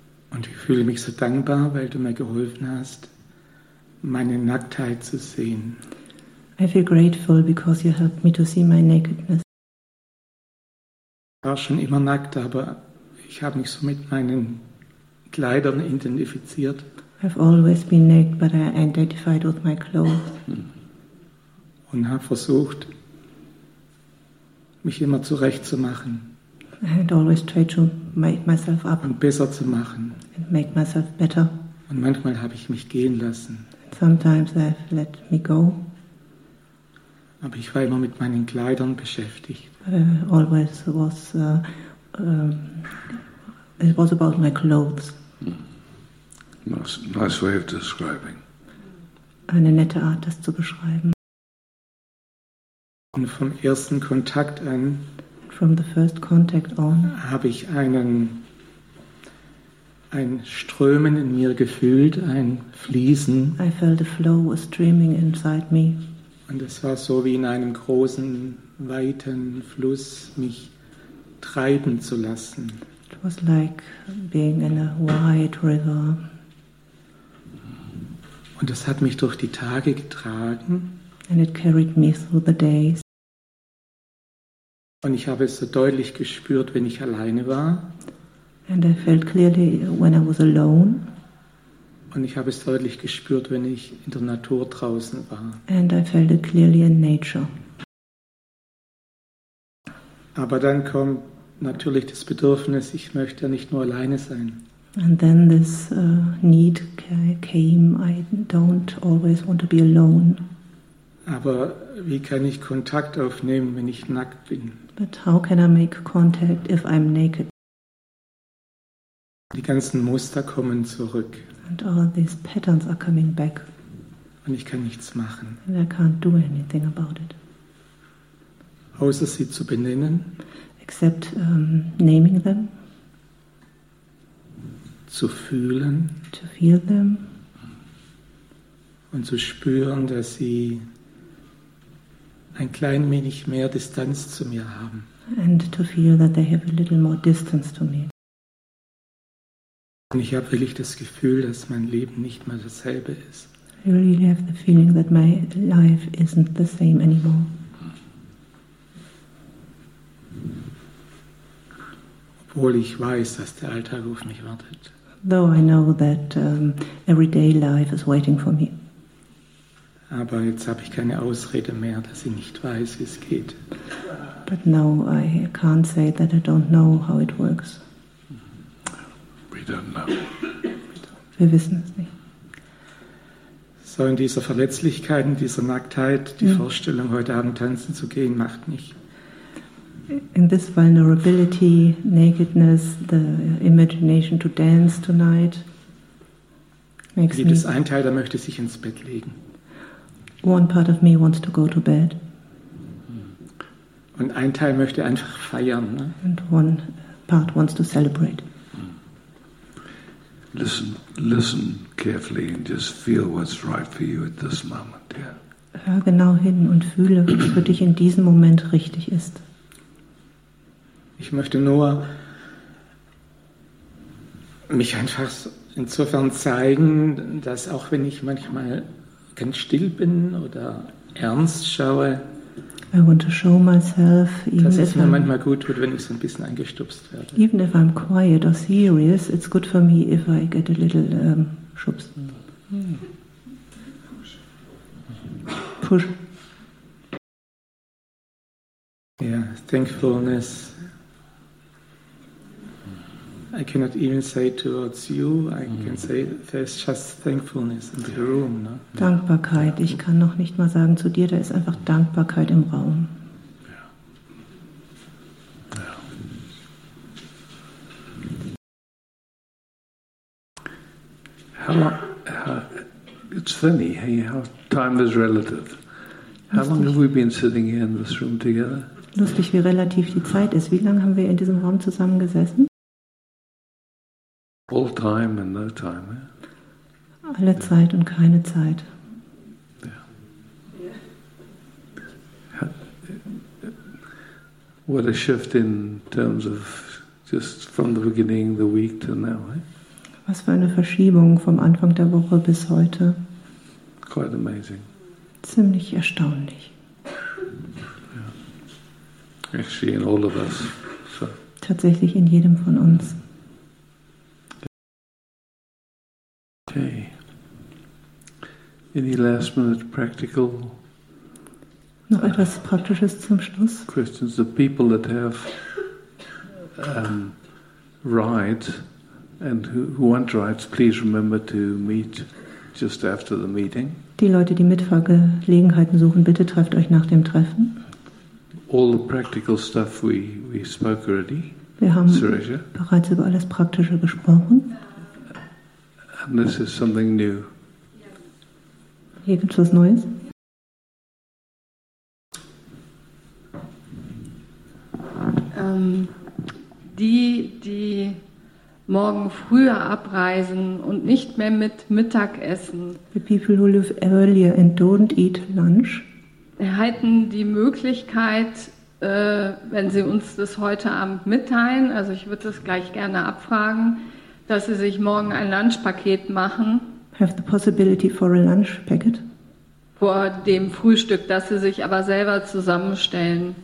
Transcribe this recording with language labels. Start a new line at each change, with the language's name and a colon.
German: Und ich fühle mich so dankbar, weil du mir geholfen hast, meine Nacktheit zu sehen.
English: I feel grateful because you helped me to see my nakedness.
German: Ich war schon immer nackt, aber ich habe mich so mit meinen Kleidern identifiziert.
English: I've always been naked, but I identified with my clothes.
German: Und habe versucht, mich immer zurechtzumachen.
English: And always tried to make myself up.
German: Und besser zu machen.
English: And make myself better.
German: Und manchmal habe ich mich gehen lassen.
English: And sometimes I've let me go.
German: Aber ich war immer mit meinen Kleidern beschäftigt.
English: But I always was it was about my clothes. Nice way of describing.
German: Eine nette Art, das zu beschreiben. Und vom ersten Kontakt an,
English: from the first contact on,
German: habe ich ein Strömen in mir gefühlt, ein Fließen.
English: I felt a flow, a streaming inside me.
German: Und es war so wie in einem großen, weiten Fluss, mich treiben zu lassen.
English: Was like being in a wide river.
German: Und das hat mich durch die Tage getragen.
English: And it carried me through the days.
German: Und ich habe es so deutlich gespürt, wenn ich alleine war.
English: And I felt clearly when I was alone.
German: Und ich habe es deutlich gespürt, wenn ich in der Natur draußen war.
English: And I felt it clearly in nature.
German: Aber dann kommt natürlich das Bedürfnis, ich möchte nicht nur alleine sein.
English: And then this need came, I don't always want to be alone.
German: Aber wie kann ich Kontakt aufnehmen, wenn ich nackt bin?
English: But how can I make contact if I'm naked?
German: Die ganzen Muster kommen zurück.
English: And all these patterns are coming back.
German: Und ich kann nichts machen.
English: And I can't do anything about it.
German: Außer sie zu benennen.
English: Except naming them.
German: Zu fühlen.
English: To feel them.
German: Und zu spüren, dass sie ein klein wenig mehr Distanz zu mir haben.
English: And to feel that they have a little more distance to me.
German: Und ich habe wirklich das Gefühl, dass mein Leben nicht mehr dasselbe ist.
English: I really have the feeling that my life isn't the same anymore.
German: Obwohl ich weiß, dass der Alltag auf mich wartet.
English: Though I know that everyday life is waiting for me.
German: Aber jetzt habe ich keine Ausrede mehr, dass ich nicht weiß, wie es geht.
English: But now I can't say that I don't know how it works.
German: Wir wissen es nicht. So in dieser Verletzlichkeit, in dieser Nacktheit, die Vorstellung, heute Abend tanzen zu gehen, macht mich.
English: In this vulnerability, nakedness, the imagination to dance tonight makes me.
German: Ein Teil, der möchte sich ins Bett legen.
English: One part of me wants to go to bed.
German: Und ein Teil möchte einfach feiern. Ne?
English: And one part wants to celebrate. Listen carefully and just feel what's right for you at this moment. Yeah.
German: Hör genau hin und fühle, was für dich in diesem Moment richtig ist. Ich möchte nur mich einfach insofern zeigen, dass auch wenn ich manchmal ganz still bin oder ernst schaue,
English: I want to show myself, even
German: dass es mir manchmal gut tut, wenn ich so ein bisschen eingestupst werde.
English: Even if I'm quiet or serious, it's good for me if I get a little
German: schubst.
English: Push. Yeah, thankfulness. I cannot even say towards you, I can say there's just thankfulness in the room. No?
German: Dankbarkeit, ich kann noch nicht mal sagen zu dir, da ist einfach Dankbarkeit im Raum.
English: Yeah. Yeah. How it's funny, hey, how time is relative. How
German: lustig.
English: Long have we been sitting here in this room together?
German: Lustig, wie relativ die Zeit ist. Wie lange haben wir in diesem Raum zusammengesessen?
English: All time and no time. Yeah?
German: Alle Zeit und keine Zeit.
English: Yeah. What a shift in terms of just from the beginning of the week to now. Eh?
German: Was für eine Verschiebung vom Anfang der Woche bis heute.
English: Quite amazing.
German: Ziemlich erstaunlich.
English: Yeah. Actually, in all of us. So.
German: Tatsächlich in jedem von uns.
English: Okay. Any last minute practical?
German: Noch etwas Praktisches zum Schluss.
English: Questions. The people that have rides and who want rides, please remember to meet just after the meeting.
German: Die Leute, die Mitfahrgelegenheiten suchen, bitte trefft euch nach dem Treffen.
English: All the practical stuff we spoke already.
German: Wir haben Suresha. Bereits über alles Praktische gesprochen.
English: And this is something new.
German: Hier gibt's was Neues. Die morgen früher abreisen und nicht mehr mit Mittagessen.
English: The people who live earlier and don't eat lunch.
German: Erhalten die Möglichkeit, wenn sie uns das heute Abend mitteilen, also ich würde das gleich gerne abfragen, dass sie sich morgen ein Lunchpaket machen.
English: Have the possibility for a lunch packet.
German: Vor dem Frühstück, dass sie sich aber selber zusammenstellen.